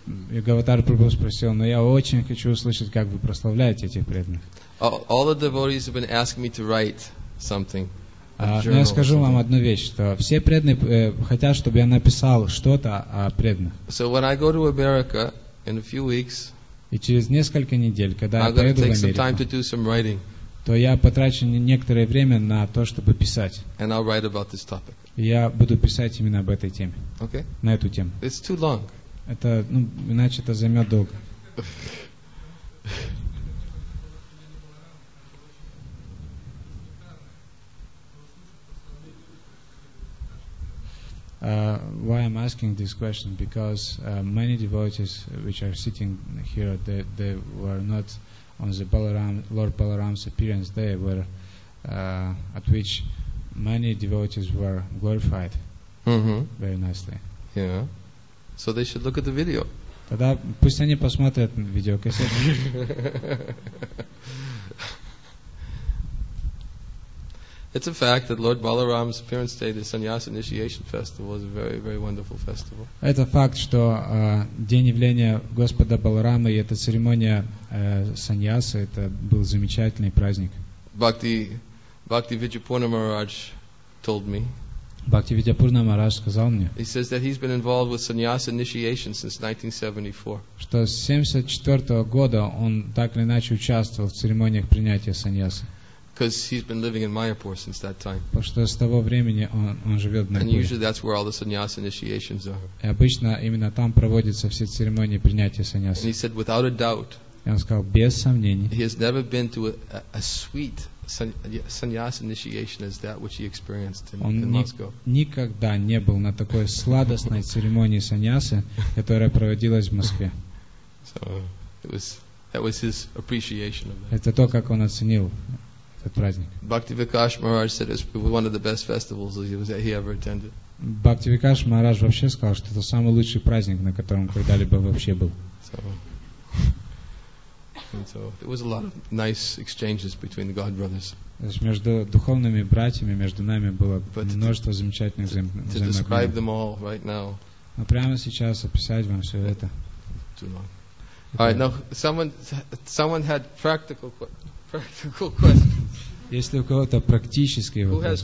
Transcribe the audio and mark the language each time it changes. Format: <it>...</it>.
<ru>Гаватар Прабху спросил, но я очень хочу услышать, как вы прославляете этих преданных.</ru> <en>All the devotees have been asking me to write something.</en> <ru>Я скажу вам одну вещь, что все преданные хотят, чтобы я написал что-то о преданных.</ru> <en>So when I go to America in a few weeks.</en> <ru>И через несколько недель, когда я поеду в Америку, то я потрачу некоторое время на то, чтобы писать.</ru> <en>And I'll write about this topic.</en> <ru>Я буду писать именно об этой теме.</ru> <en>Okay.</en> <ru>На эту тему.</ru> <en>It's too long.</en> <ru>Это, ну, иначе это займет долго.</ru> <en>Why I'm asking this question? Because many devotees which are sitting here, they were not on the Lord Balaram's appearance day, where at which many devotees were glorified very nicely. Yeah. So they should look at the video.</en> <ru>Тогда пусть они посмотрят видеокассету.</ru> <en>It's a fact that Lord Balaram's appearance day, the Sannyasa Initiation Festival, is a very, very wonderful festival.</en> <ru>Это факт, что день явления Господа Баларамы и эта церемония Саньяса это был замечательный праздник.</ru> <en>Bhakti Vidyapurna Maharaj told me.</en> <ru>Bhakti Vidyapurna Maharaj сказал мне.</ru> <en>He says that he's been involved with Sannyasa Initiation since 1974.</en> <ru>Что с 74 года он так или иначе участвовал в церемониях принятия саньясы.</ru> <en>Because he's been living in Mayapur since that time.</en> <ru>Потому что с того времени он живет в Майпуре.</ru> <en>And usually that's where all the sannyasa initiations are.</en> <ru>И обычно именно там проводятся все церемонии принятия саньясы.</ru> <en>And he said without a doubt.</en> <ru>И он сказал без сомнений.</ru> <en>He has never been to a sweet sannyasa initiation as that which he experienced in Moscow.</en> <ru>Никогда не был на такой сладостной церемонии саньясы, которая проводилась в Москве.</ru> <en>So that was his appreciation of it.</en> <ru>Это то, как он оценил.</ru> <en>Bhakti Vikash Maharaj said it was one of the best festivals he ever attended.</en> <ru>Bhakti Vikash Maharaj вообще сказал, что это самый лучший праздник, на котором когда-либо вообще был.</ru> <en>So there was a lot of nice exchanges between the God brothers.</en> <ru>Между духовными братьями между нами было множество замечательных взаимоотношений.</ru> <en>To describe them all right now.</en> <ru>Но прямо сейчас описать вам все это.</ru> <en>Too long. All right, now someone had practical questions.</en> <ru>Если у кого-то практические вопросы.</ru>